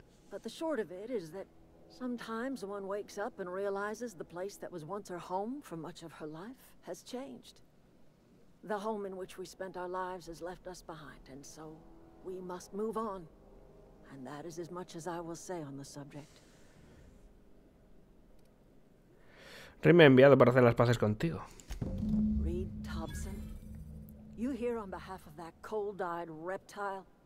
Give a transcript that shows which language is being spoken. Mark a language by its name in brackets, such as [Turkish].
[English] But the short of it is that sometimes one wakes up and realizes the place that was once her home for much of her life has changed. The home in which we spent our lives has left us behind, and so we must move on. And that is as much as I will say on the subject. [Spanish] Reed me ha enviado para hacer las paces contigo. [English] Reed Thompson, you here on behalf of that cold-eyed reptile?